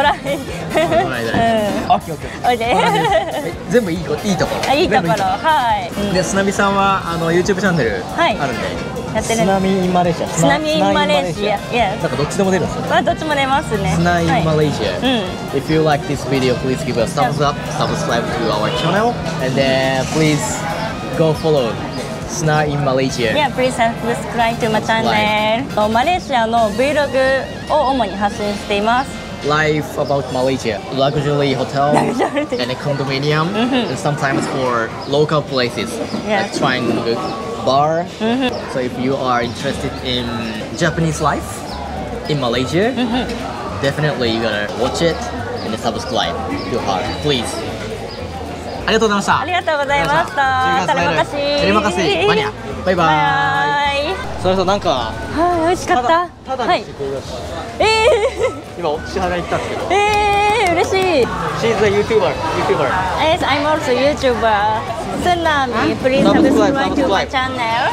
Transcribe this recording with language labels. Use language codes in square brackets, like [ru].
[ja] ドライドライドライ、うん、OKOK、全部いい、いいところ、いいところ、はい、で、スナビさんはあの YouTube チャンネルあるんで、はい、スナミインマレーシア、スナミインマレーシア、なんかどっちでも出るんですよ、まあ、どっちも出ますね、スナインマレーシア、はい、 [en] If you like this video, please give us thumbs up, subscribe to our channel, and then please go follow Sna in Malaysia. Yeah, please subscribe to my channel. [ja] マレーシアの Vlog を主に発信しています、 [en] Life about Malaysia, luxury hotels and a condominium, and sometimes for local places, like triangle bar. So if you are interested in Japanese life in Malaysia, definitely you gotta watch it and subscribe to her, please. [ja] ありがとうございました。ありがとうございました。テレマカシ。マニア。バイバイ。それとなんか、はあ、美味しかった。ただに仕事だった。今お支払い来たんですけど。嬉しい。 [en] She's a YouTuber. YouTuber. Yes, I'm also a YouTuber. スナミ、please subscribe to my channel.